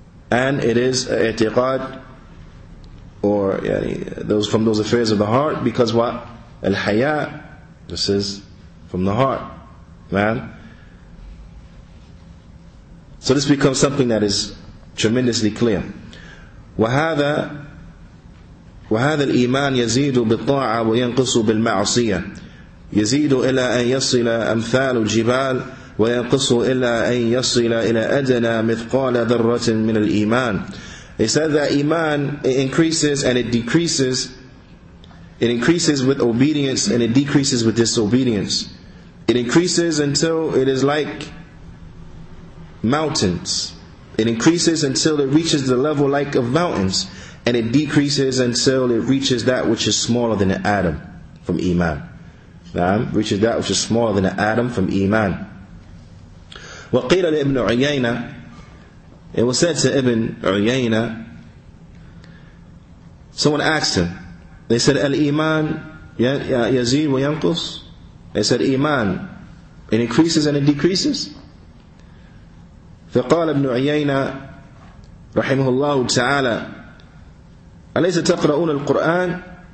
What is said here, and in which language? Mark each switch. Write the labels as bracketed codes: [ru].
[en] And it is a i'tiqad, or yani, those from those affairs of the heart, because what? Al-haya, this is from the heart, man. So this becomes something that is tremendously clear. [ar] وهذا الإيمان يزيد بالطاعة وينقص بالمعصية يزيد إلى أن يصل أمثال الجبال وينقص إلى أن يصل إلى أدنى مثقال ذرة من الإيمان. [en] He said that iman, it increases and it decreases. It increases with obedience and it decreases with disobedience. It increases until it is like mountains. It increases until it reaches the level like of mountains, and it decreases until it reaches that which is smaller than an atom from iman. Naam, reaches that which is smaller than an atom from iman. [ar] وَقِيلَ لِإِبْنُ عُيَيْنَا. [en] It was said to Ibn Uyayna, someone asked him, they said, [ar] الإيمان يزيد وينقص. [en] They said, iman, it increases and it decreases. [ar] فقال ابن عيينة رحمه الله تعالى أليس تقرؤون القرآن.